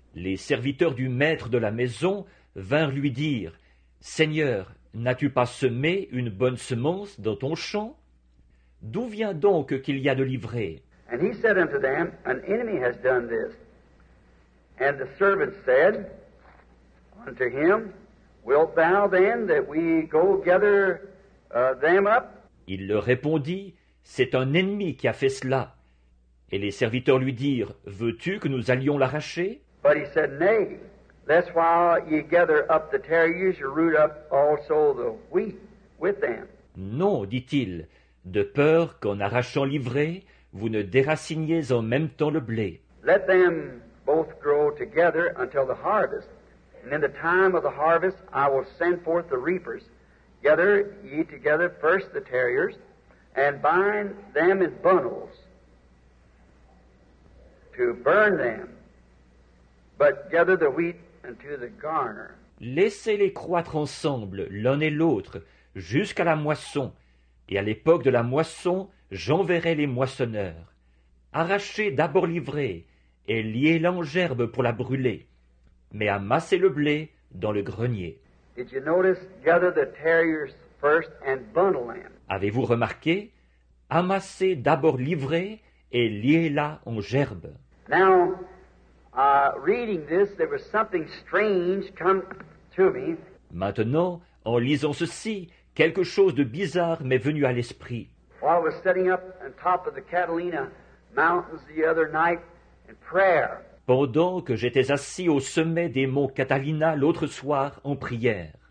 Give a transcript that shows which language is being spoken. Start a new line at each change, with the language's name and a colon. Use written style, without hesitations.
French: Les serviteurs du maître de la maison vinrent lui dire, Seigneur, n'as-tu pas semé une bonne semence dans ton champ? D'où vient donc qu'il y a de l'ivraie?
English: And he said unto them, An enemy has done this. And the servant said unto him, Wilt thou then that we go gather them up?
French: Il leur répondit, C'est un ennemi qui a fait cela. Et les serviteurs lui dirent, Veux-tu que nous allions l'arracher?
English: But he said, Nay, lest while ye gather up the tares, ye root up also the wheat with them.
French: Non, dit-il, de peur qu'en arrachant l'ivraie, vous ne déraciniez en même temps le blé.
English: Let them both grow together until the harvest. And in the time of the harvest, I will send forth the reapers. Gather ye together first the tares, and bind them in bundles to burn them. But gather the wheat into the garner.
French: Laissez-les croître ensemble, l'un et l'autre, jusqu'à la moisson. Et à l'époque de la moisson, J'enverrai les moissonneurs. Arrachez d'abord l'ivraie et liez-la en gerbe pour la brûler, mais amassez le blé dans le grenier.
English: Did you notice, gather the tares first and bundle them.
French: Avez-vous remarqué? Amassez d'abord l'ivraie et liez-la en gerbe.
English: Now, reading this, there was something strange come to me.
French: Maintenant, en lisant ceci, quelque chose de bizarre m'est venu à l'esprit.
English: While I was sitting up on top of the Catalina Mountains the other night in prayer.
French: Pendant que j'étais assis au sommet des monts Catalina l'autre soir en prière.